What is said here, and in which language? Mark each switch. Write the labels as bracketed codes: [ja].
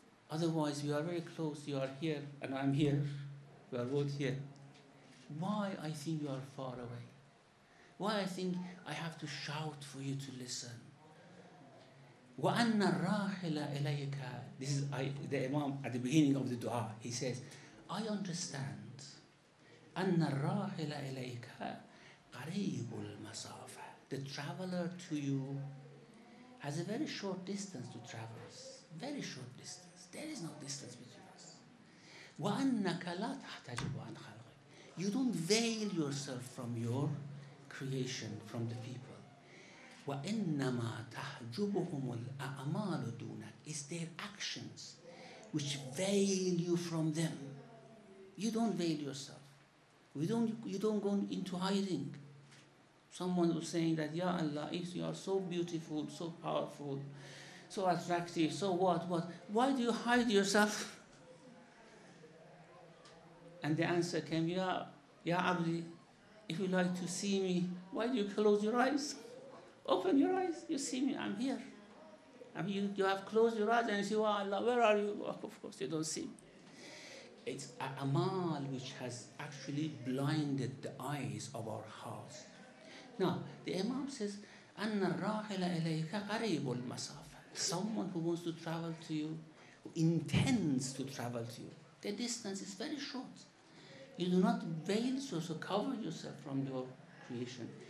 [en] Otherwise, you are very close. You are here and I'm here. We are both here. Why I think you are far away? Why I think I have to shout for you to listen? [ar] وَأَنَّ الرَّاحِلَ إِلَيْكَ. [en] This is the Imam at the beginning of the dua. He says, I understand [ar] أَنَّ الرَّاحِلَ إِلَيْكَ قَرِيبُ الْمَسَافَ. [en] The traveler to you has a very short distance to traverse. Very short distance. There is no distance between us. [ar] وَأَنَّكَ لَا تَحْتَجِبُ عَنْ خَلْقِ. [en] You don't veil yourself from your creation, from the people. [ar] وَإِنَّمَا تَحْجُبُهُمُ الْأَعْمَالُ دُونَكَ. [en] It's their actions which veil you from them. You don't veil yourself. You don't go into hiding. Someone was saying that, Ya Allah, if you are so beautiful, so powerful, so attractive, so what? Why do you hide yourself? And the answer came, Ya Abdi, if you like to see me, why do you close your eyes? Open your eyes, you see me, I'm here. And you have closed your eyes and you say, oh Allah, where are you? Oh, of course, you don't see me. It's amal which has actually blinded the eyes of our hearts. Now, the Imam says, [ar] أَنَّ الرَّاحِلَ إِلَيْكَ قَرِيبُ الْمَسَافَةِ. [en] Someone who wants to travel to you, who intends to travel to you, the distance is very short. You do not veil yourself, so cover yourself from your creation.